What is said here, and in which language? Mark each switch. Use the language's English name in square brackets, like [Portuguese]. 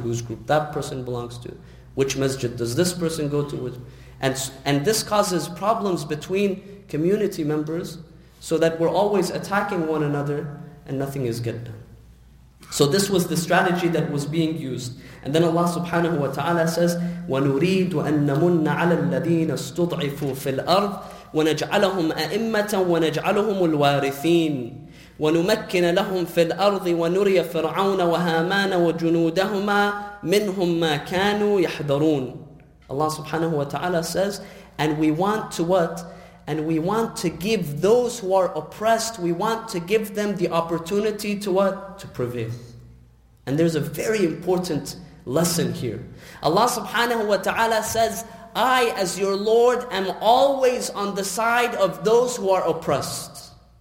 [English] Whose group that person belongs to? Which masjid does this person go to? And this causes problems between community members, so that we're always attacking one another and nothing is getting done. So this was the strategy that was being used. And then Allah subhanahu wa ta'ala says, [Arabic] وَنُرِيدُ أَن نَمُنَّ عَلَى الَّذِينَ اسْتُضْعِفُوا فِي الْأَرْضِ وَنَجْعَلَهُمْ أَئِمَّةً وَنَجْعَلَهُمُ الْوَارِثِينَ وَنُمَكِّنَ لَهُمْ فِي الْأَرْضِ وَنُرِيَ فِرْعَوْنَ وَهَامَانَ وَجُنُودَهُمَا مِنْهُمْ مَا كَانُوا يَحْذَرُونَ. [English] Allah subhanahu wa ta'ala says, and we want to what? And we want to give those who are oppressed, we want to give them the opportunity to what? To prevail. And there's a very important lesson here. Allah subhanahu wa ta'ala says, I as your Lord am always on the side of those who are oppressed.